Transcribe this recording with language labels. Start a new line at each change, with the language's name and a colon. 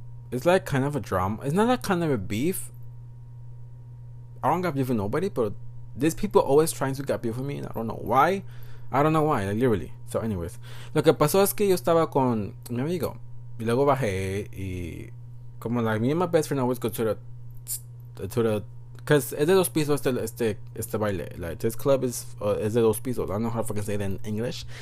English: It's, like, kind of a drama. It's not that kind of a beef. I don't got beef with nobody, but these people always trying to get beef with me, and I don't know why. I don't know why, like, literally. So, anyways.
Spanish: Lo que pasó es que yo estaba con mi amigo. Y luego bajé.
English: Y como, like, me and my best friend always go to the... Because
Spanish: es de dos pisos este baile.
English: Like, this club
Spanish: es de dos pisos.
English: I don't know how to fucking say it in English.